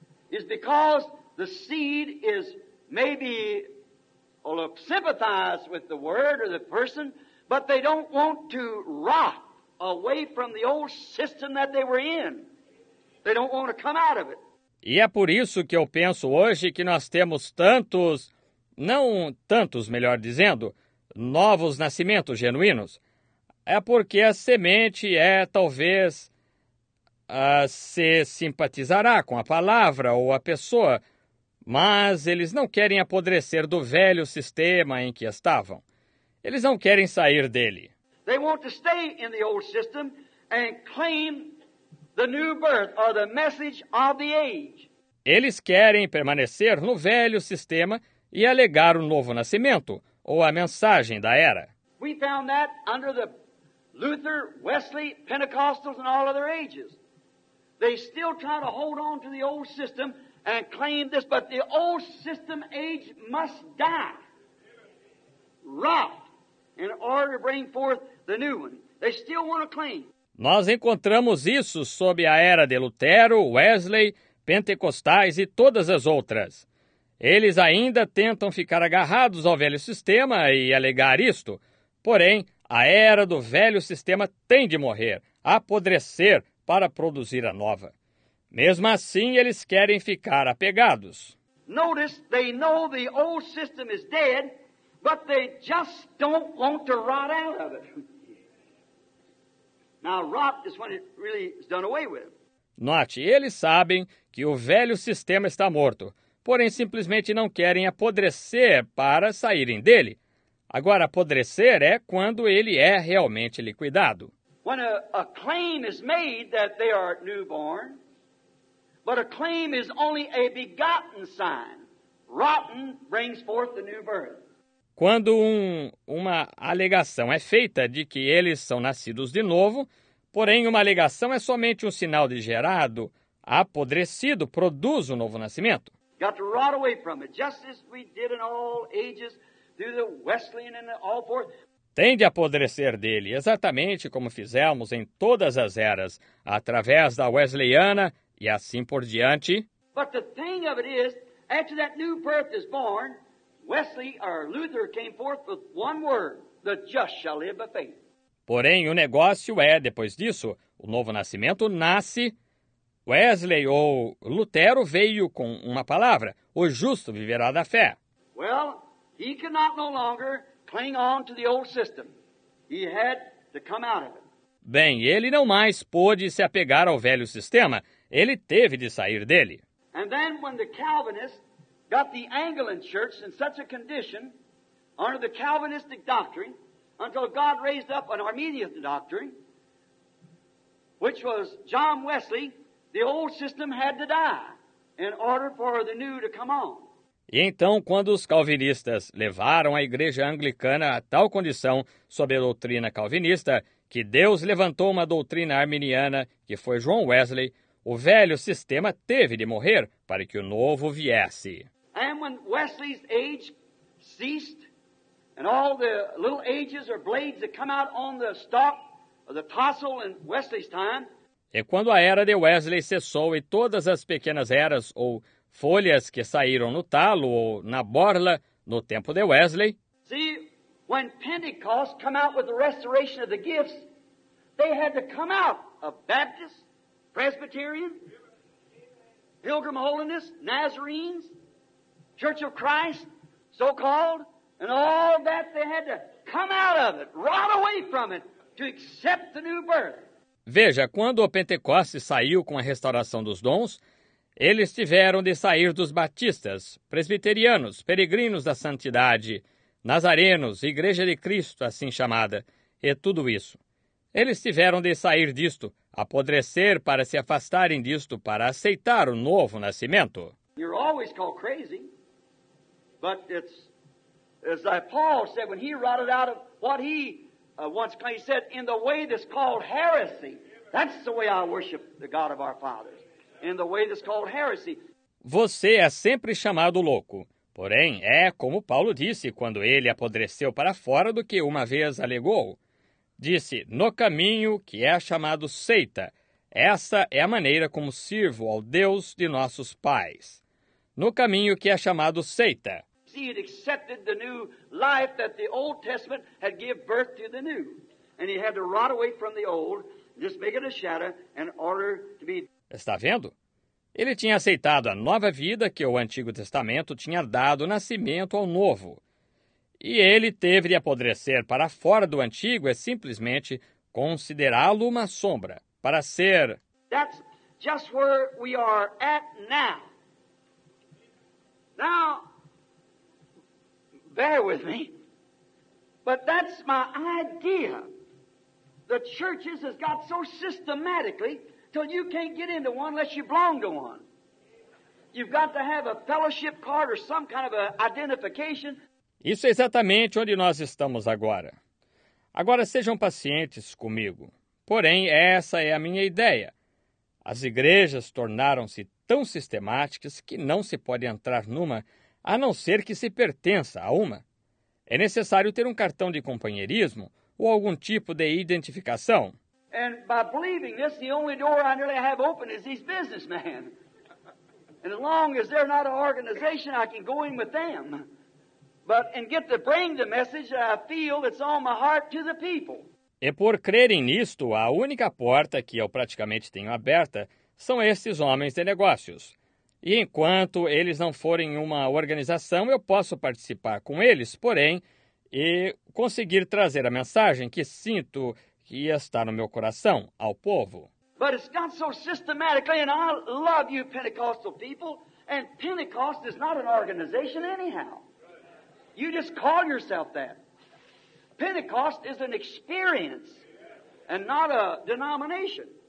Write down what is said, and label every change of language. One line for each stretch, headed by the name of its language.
English: It's because the seed is maybe, sympathize with the word or the person, but they don't want to rot away from the old system that they were in. They don't want to come out of it.
Portuguese: E é por isso que eu penso hoje que nós temos tantos, não tantos, melhor dizendo, novos nascimentos genuínos. É porque a semente talvez se simpatizará com a palavra ou a pessoa, mas eles não querem apodrecer do velho sistema em que estavam. Eles não querem sair dele.
English: They want to stay in the old system and claim the new birth or the message of the age.
Portuguese: Eles querem permanecer no velho sistema e alegar o novo nascimento ou a mensagem da era.
English: We found that under the Luther, Wesley, Pentecostals and all other ages. They still try to hold on to the old system and claim this, but the old system age must die, rot, in order to bring forth the new one. They still want to claim.
Portuguese: Nós encontramos isso sob a era de Lutero, Wesley, Pentecostais e todas as outras. Eles ainda tentam ficar agarrados ao velho sistema e alegar isto. Porém, a era do velho sistema tem de morrer, apodrecer para produzir a nova. Mesmo assim, eles querem ficar apegados.
English: Notice they know the old system is dead, but they just don't want to rot out of it. Now, rot is when it really is done away with.
Portuguese: Note, eles sabem que o velho sistema está morto, porém simplesmente não querem apodrecer para saírem dele. Agora, apodrecer é quando ele é realmente liquidado.
English: When a claim is made that they are newborn, but a claim is only a begotten sign. Rotten brings forth the new birth.
Portuguese: Quando uma alegação é feita de que eles são nascidos de novo, porém uma alegação é somente um sinal de gerado, apodrecido, produz um novo nascimento.
English: Got to rot away from it, just as we did in all ages through the Wesleyan and all forth.
Portuguese: Tem de apodrecer dele, exatamente como fizemos em todas as eras, através da Wesleyana e assim por diante.
English: But the thing of it is, after that new birth is born, Wesley or Luther came forth with one word, the just shall live by faith.
Portuguese: Porém, o negócio é, depois disso, o novo nascimento nasce. Wesley ou Lutero veio com uma palavra, o justo viverá da fé.
English: Well, he could not no longer cling on to the old system. He had to come out of it.
Portuguese: Bem, ele não mais pôde se apegar ao velho sistema. Ele teve de sair dele.
English: And then when the Calvinists got the Anglican Church in such a condition under the Calvinistic doctrine, until God raised up an Arminian doctrine, which was John Wesley, The old system had to die in order for the new to come on.
Portuguese: E então, quando os calvinistas levaram a igreja anglicana a tal condição sob a doutrina calvinista, que Deus levantou uma doutrina arminiana, que foi John Wesley, o velho sistema teve de morrer para que o novo viesse.
English: And when Wesley's age ceased, and all the little ages or blades that come out on the stalk of the tassel in Wesley's time.
Portuguese: E quando a era de Wesley cessou e todas as pequenas eras ou folhas que saíram no talo ou na borla no tempo de Wesley.
English: See, when Pentecost came out with the restoration of the gifts, they had to come out of Baptist, Presbyterian, Pilgrim Holiness, Nazarenes, Church of Christ, so called, and all that they had to come out of it, rot away from it, to accept the new birth.
Portuguese: Veja, quando o Pentecostes saiu com a restauração dos dons, eles tiveram de sair dos batistas, presbiterianos, peregrinos da santidade, nazarenos, Igreja de Cristo, assim chamada, e tudo isso. Eles tiveram de sair disto, apodrecer para se afastarem disto, para aceitar o novo nascimento.
English: You're always called crazy, but it's as like Paul said when he rotted out of what he once claimed. He said, in the way that's called heresy, that's the way I worship the God of our fathers. In the way that's called heresy.
Portuguese: Você é sempre chamado louco. Porém, é como Paulo disse quando ele apodreceu para fora do que uma vez alegou. Disse, no caminho que é chamado seita. Essa é a maneira como sirvo ao Deus de nossos pais. No caminho que é chamado seita.
English: See, he had accepted the new life that the Old Testament had given birth to the new. And he had to rot away from the old, just make it a shadow, in order to be...
Portuguese: Está vendo? Ele tinha aceitado a nova vida que o Antigo Testamento tinha dado nascimento ao novo. E ele teve de apodrecer para fora do antigo e simplesmente considerá-lo uma sombra, para ser...
English: That's just where we are at now. Now, bear with me, but that's my idea. The churches has got so systematically... Till you can't get into one unless you belong to one. You've got to have a fellowship card or some kind of a identification.
Portuguese: Isso é exatamente onde nós estamos agora. Agora sejam pacientes comigo. Porém, essa é a minha ideia. As igrejas tornaram-se tão sistemáticas que não se pode entrar numa a não ser que se pertença a uma. É necessário ter um cartão de companheirismo ou algum tipo de identificação.
English: And by believing this, the only door I nearly have open is these businessmen. And as long as they're not an organization, I can go in with them. But and get to bring the message that I feel that's on my heart to the people.
Portuguese: E por crerem nisto, a única porta que eu praticamente tenho aberta são esses homens de negócios. E enquanto eles não forem uma organização, eu posso participar com eles, porém, e conseguir trazer a mensagem que sinto... que está no meu coração, ao povo.
English: But it's not so systematically, and I love you Pentecostal people, and Pentecost is not an organization anyhow. You just call yourself that. Pentecost is an experience, and not a denomination.